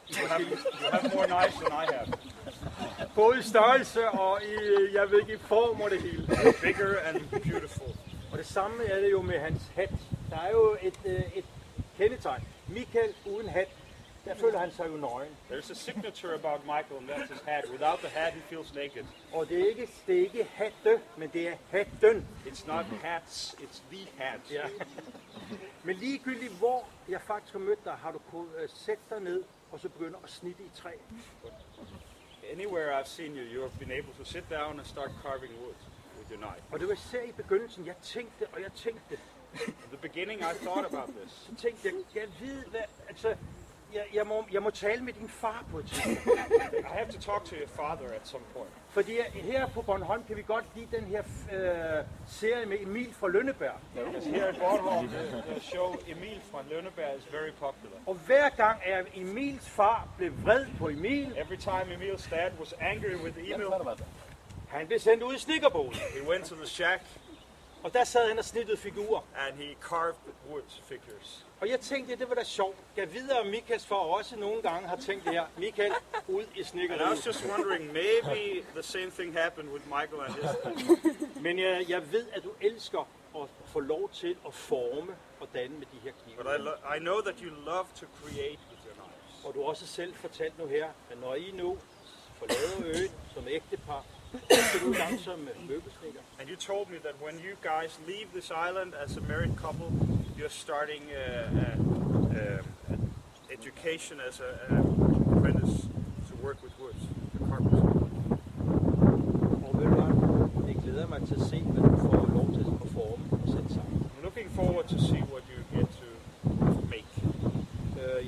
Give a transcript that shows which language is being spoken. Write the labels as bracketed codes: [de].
[en] You have more knives than I have. [da] Både i størrelse og i, jeg ved ikke, i form og det hele. [en] Bigger and beautiful. [da] Og det samme er det jo med hans hat. Der er jo et kendetegn. Michael uden hat, der føler han sig jo nøgen. [en] There's a signature about Michael, and that's his hat. Without the hat, he feels naked. [da] Og det er ikke hatte, men det er hatten. [en] It's not hats, it's the hat. Yeah. [da] Men ligegyldigt hvor jeg faktisk har mødt dig, har du kunnet sætte dig ned, og så begynde at snitte i træ. [en] Anywhere I've seen you, you've been able to sit down and start carving wood with your knife. [da] Og det var især i begyndelsen, jeg tænkte, og jeg tænkte. [en] In the beginning, I thought about this. [da] Så tænkte jeg, jeg ved hvad, altså, jeg må tale med din far på et [en] I have to talk to your father at some point. [da] Fordi her på Bornholm kan vi godt lide den her serie med Emil fra Lønneberg. [en] Because here at Bornholm, the show Emil fra Lønneberg is very popular. [da] Og hver gang er Emils far blev vred på Emil. [en] Every time Emil's dad was angry with Emil. [da] Han blev sendt ud i snikkerbolen. [en] He went to the shack. [da] Og der sad han og snittede figurer. [en] And he carved wood figures. [da] Og jeg tænkte, det var da sjovt. Gav videre, om Mikas far også nogle gange har tænkt det her. Mikael, ud i snikkeriet. [en] And I was just wondering, maybe the same thing happened with Michael and his. [da] Men jeg ved, at du elsker at få lov til at forme og danne med de her knive. [en] But I know that you love to create with your knives. [da] Og du også selv fortalt nu her, at når I nu forlader øen som ægtepar, [en] And you told me that when you guys leave this island as a married couple, you're starting an education as an apprentice to work with woods, the carpenter. [da] Og ved du hvad, jeg glæder mig til at se, hvad du får lov til at performe og sætte sammen. [en] I'm looking forward to see what you get to make.